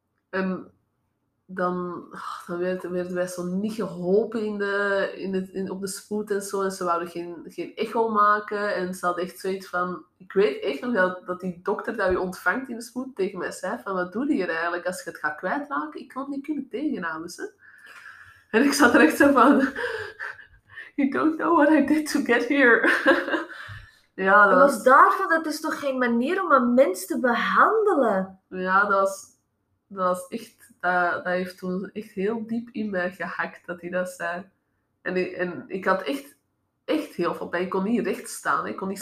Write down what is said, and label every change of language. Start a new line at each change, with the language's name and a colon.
Dutch: En dan werden wij zo niet geholpen op de spoed en zo. En ze wouden geen echo maken. En ze hadden echt zoiets van... Ik weet echt nog dat die dokter dat je ontvangt in de spoed tegen mij zei van... Wat doe je hier eigenlijk als je het gaat kwijtraken? Ik kan het niet kunnen tegenhouden, ze. En ik zat er echt zo van...
English: You don't know what I did to get here.
Dutch: Ja, dat was... daarvan, dat is toch geen manier om een mens te behandelen? Ja, dat was echt... Dat heeft toen echt heel diep in mij gehakt dat hij dat zei. En ik had echt heel veel pijn. Ik kon niet recht staan. Ik kon niet